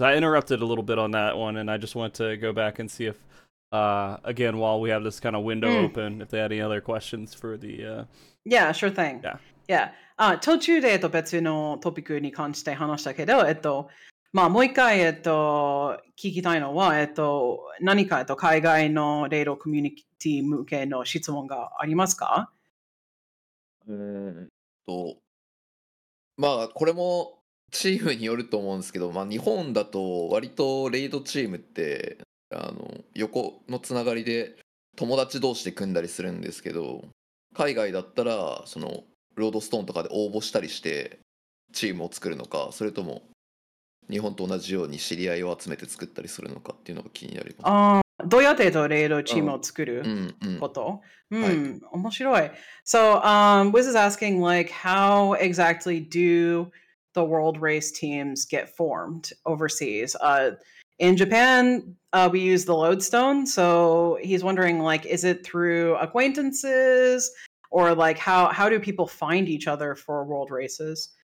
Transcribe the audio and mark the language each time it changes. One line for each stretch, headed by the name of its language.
English: I interrupted a little bit on that one, and I just want to go back and see if, again, while we have this kind of window open, if they had any other questions for the... Yeah, sure thing. Yeah.
Japanese: 途中で別のトピックに関して話したけど、まあ、もう一回、聞きたいのは、何か、海外のレイドコミュニティ向けの質問がありますか？まあこれもチームによると思うんですけど、まあ日本だと割とレイドチームってあの横のつながりで友達同士で組んだりするんですけど、海外だったらそのロードストーンとかで応募したりしてチームを作るのか、それとも日本と同じように知り合いを集めて作ったりするのかっていうのが気になります。あ、どうやってレイドチームを作ること、面白い。
English: So, Wiz is asking, like, how exactly do the world race teams get formed overseas? In Japan, we use the lodestone, so he's wondering, like, is it through acquaintances, or, like, how do people find each other for world races?